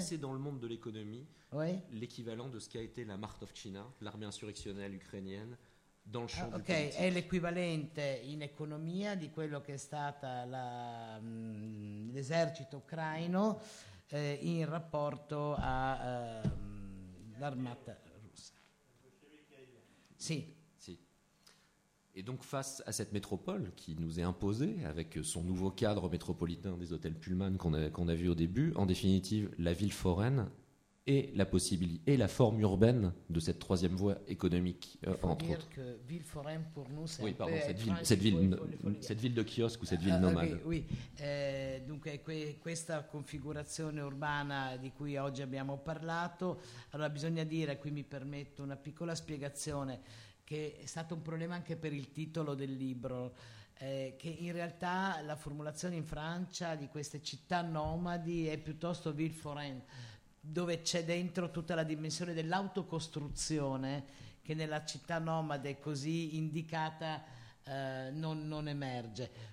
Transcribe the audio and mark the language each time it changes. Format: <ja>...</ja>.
<fr>c'est dans le monde de l'économie, ouais. L'équivalent de ce qu'a été la Makhnovtchina, l'armée insurrectionnelle ukrainienne.</fr> <it>Ok, è l'equivalente in economia di quello che è stata l'esercito ucraino in rapporto all'armata russa. Sì. Sì.</it> <fr>Et donc face à cette métropole qui nous est imposée avec son nouveau cadre métropolitain des hôtels Pullman qu'on a vu au début, en définitive la ville foraine. Et la possibilité et la forme urbaine de cette troisième voie économique, entre autres. Que ville foraine pour nous, c'est oui, pardon, cette ville de kiosque ou cette ville nomade. Oui.</fr> <it>Donc, questa configurazione urbana di cui oggi abbiamo parlato, allora bisogna dire, qui mi permetto una piccola spiegazione, che è stato un problema anche per il titolo del libro, che in realtà la formulazione in Francia di queste città nomadi è piuttosto ville foraine, dove c'è dentro tutta la dimensione dell'autocostruzione che nella città nomade così indicata non emerge.</it>